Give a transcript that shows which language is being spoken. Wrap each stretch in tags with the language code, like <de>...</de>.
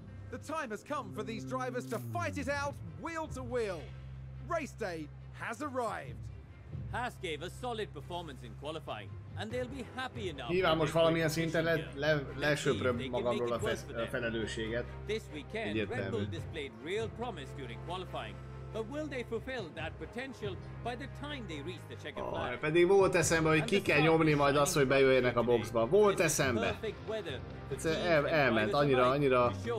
<en>The time has come for these drivers to fight it out wheel to wheel. Race day has arrived. Haas gave a solid performance in qualifying and they'll be happy enough.</en> <hu>Nyilván most valamilyen szinten lesöpröm magamról a felelősséget.</hu> <en>This weekend Red Bull displayed real promise during qualifying, but will they fulfill that potential by the time they reach the checkered flag?</en> <hu>Pedig volt eszembe, hogy ki kell nyomni majd azt, hogy bejöjjenek a boxba. Volt eszembe. Elment annyira.</hu>